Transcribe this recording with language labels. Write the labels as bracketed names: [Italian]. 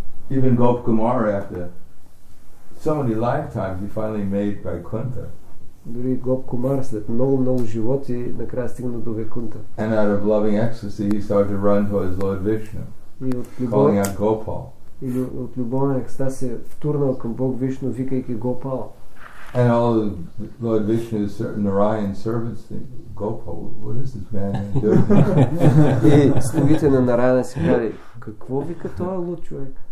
[English] Even Gop Kumar, after so many lifetimes, he finally made Vaikuntha. [Bulgarian] Дори Gop Kumar след много-много животи, накрая стигна до Вайкунта. [English] And out of loving ecstasy, he started to run towards Lord Vishnu, calling out Gopal. [Bulgarian] И от любовна екстаз се втурнал към Бог Вишну, викайки Гопал. [English] And all the Lord Vishnu's certain Narayan servants think, Gopal, what is this man doing? [Bulgarian] И слугите на Нараяна си казали, какво вика този луд човек?